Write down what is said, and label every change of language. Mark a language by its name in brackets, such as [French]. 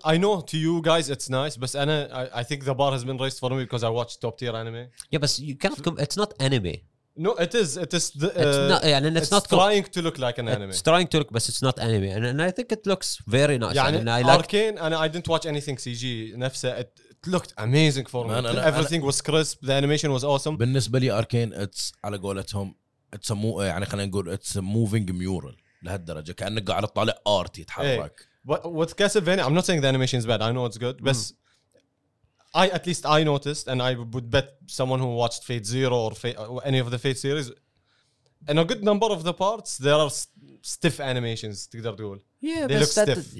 [English] I know to you guys it's nice, but I think the bar has been raised for me because I watched top tier anime. Yeah, but you cannot it's not anime. No, it is. It is. It's not trying to look like an anime. It's trying to look, but it's not anime. And I think it looks very nice. Yeah, and I like Arcane, and I didn't watch anything CG. [Arabic] نفسه. [English] It looked amazing for me. Everything was crisp. The animation was awesome. [Arabic] بالنسبة لي Arcane, [English] it's [Arabic] على قولتهم, [English] it's a [Arabic] يعني خلينا نقول [English] it's a moving mural [Arabic] لهالدرجة. كأنك قاعد تطالع [English] art [Arabic] يتحرك. [English] But with Castlevania, I'm not saying the animation is bad. I know it's good. [Arabic] بس [English] at least I noticed, and I would bet someone who watched Fate Zero or any of the Fate series, in a good number of the parts, there are stiff animations. [Arabic] تقدر تقول. [English] Yeah, they look stiff.